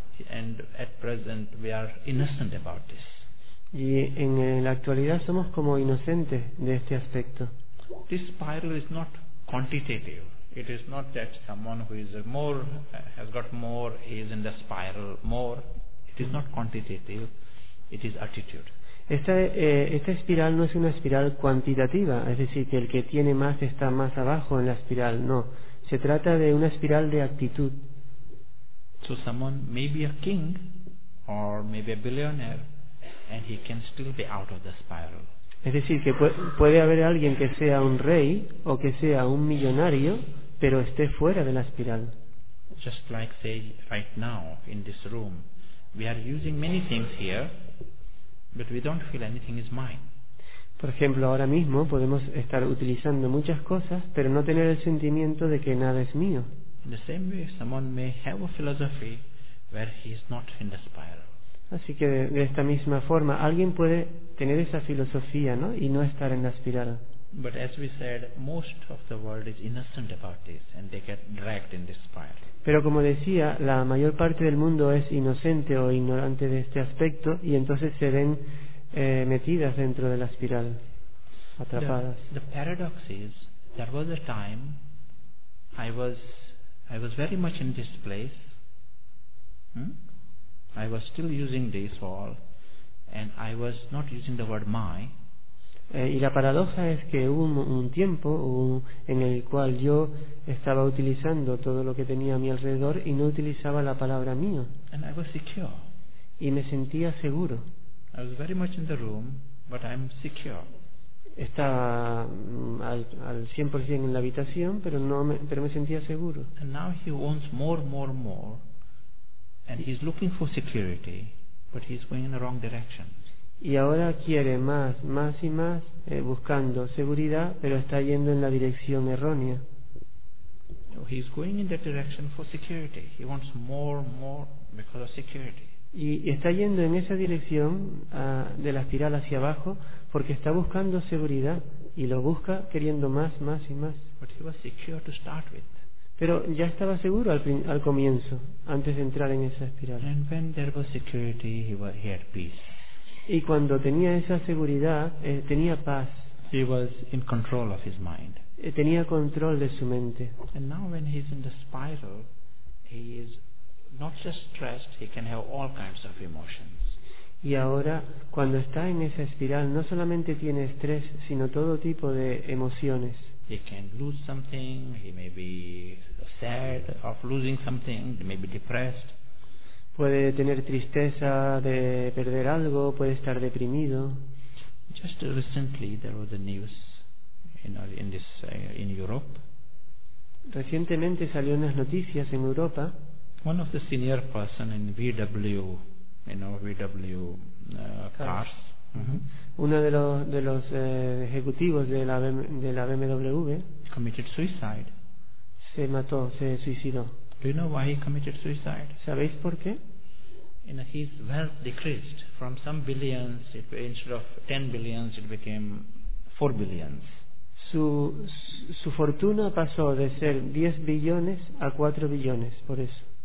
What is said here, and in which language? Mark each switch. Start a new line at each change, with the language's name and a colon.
English: And at present we are innocent about this.
Spanish: Y en la actualidad somos como inocentes de este aspecto.
English: This spiral is not quantitative. It is not that someone who is more has got more is in the spiral more. It is not quantitative. It is attitude.
Spanish: Esta espiral no es una espiral cuantitativa, es decir, que el que tiene más está más abajo en la espiral. No, se trata de una espiral de actitud.
English: So someone may be a king or maybe a billionaire and he can still be out of the spiral.
Spanish: Es decir, que puede haber alguien que sea un rey o que sea un millonario, pero esté fuera de la espiral.
English: Just like say right now in this room, we are using many things here, but we don't feel anything is mine.
Spanish: Por ejemplo, ahora mismo podemos estar utilizando muchas cosas, pero no tener el sentimiento de que nada es mío.
English: In the same way, someone may have a philosophy where he is not in the spiral.
Spanish: Así que de esta misma forma, alguien puede tener esa filosofía, ¿no? Y no estar en la espiral.
English: But as we said, most of the world is innocent about this, and they get dragged in this spiral.
Spanish: Pero como decía, la mayor parte del mundo es inocente o ignorante de este aspecto, y entonces se ven metidas dentro de la espiral, atrapadas.
English: The paradox is, there was a time I was very much in this place. I was still using this wall, and I was not using the word my.
Spanish: Y la paradoja es que hubo un tiempo en el cual yo estaba utilizando todo lo que tenía a mi alrededor y no utilizaba la palabra mío.
English: And I was secure.
Spanish: Y me sentía seguro.
English: I was very much in the room, but I'm secure.
Spanish: Estaba al 100% en la habitación, pero me sentía seguro.
English: And now he wants more, more, more, and he's looking for security, but he's going in the wrong direction.
Spanish: Y ahora quiere más, más y más, buscando seguridad, pero está yendo en la dirección errónea.
English: No, he's going in that direction for security. He wants more, more because of security.
Spanish: Y está yendo en esa dirección de la espiral hacia abajo porque está buscando seguridad y lo busca queriendo más, más y más.
English: But he was secure to start with.
Spanish: Pero ya estaba seguro al comienzo, antes de entrar en esa espiral.
English: And when there was security, he had peace.
Spanish: Y cuando tenía esa seguridad, tenía paz.
English: He was in control of his mind.
Spanish: Tenía control de su mente.
English: And now when he's in the spiral, he is not just stressed, he can have all kinds of emotions.
Spanish: Y ahora, cuando está en esa espiral, no solamente tiene estrés, sino todo tipo de emociones.
English: He can lose something, he may be sad of losing something, he may be depressed.
Spanish: Puede tener tristeza de perder algo, puede estar deprimido.
English: Just recently there was a news in Europe.
Spanish: Recientemente salió unas noticias en Europa.
English: One of the senior person in VW, you know, VW cars.
Spanish: Uno de los ejecutivos de la BMW
English: committed suicide.
Spanish: Se mató, se suicidó.
English: Do you know why he committed suicide?
Spanish: ¿Sabéis por qué?
English: And his wealth decreased from some billions, instead of 10 billions it became 4 billions.
Spanish: Su fortuna pasó de ser 10 billones a 4 billones, por eso.